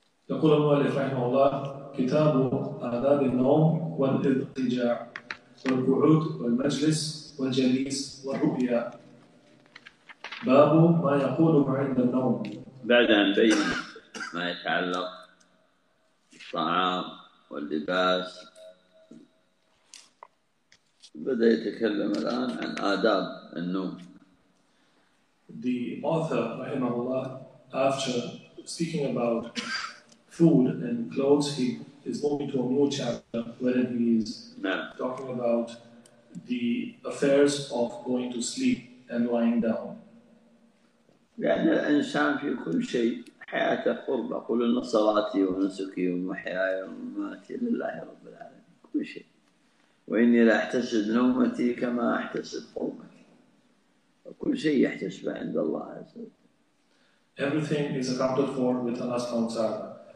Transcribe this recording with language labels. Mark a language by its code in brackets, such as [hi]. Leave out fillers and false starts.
[ar] يقول المؤلف رحمه الله كتاب آداب النوم والاضطجاع والقعود والمجلس والجليس والرؤيا باب ما يقول عند النوم. بعد أن بين ما يتعلق بالطعام واللباس بدأ يتكلم الآن عن آداب النوم. [en] The author [ar] رحمه الله [en] after speaking about food and clothes, he is moving to a new chapter where he is talking about the affairs of going to sleep and lying down. [ar] لأن الإنسان في كل شيء حياته قربة، قل إن صلاتي ونسكي ومحياي ومماتي لله رب العالمين، كل شيء، وإني لأحتسب نومتي كما أحتسب قومتي، وكل شيء يحتسب عند الله عز وجل. [en] Everything is accounted for with Allah subhanahu wa ta'ala.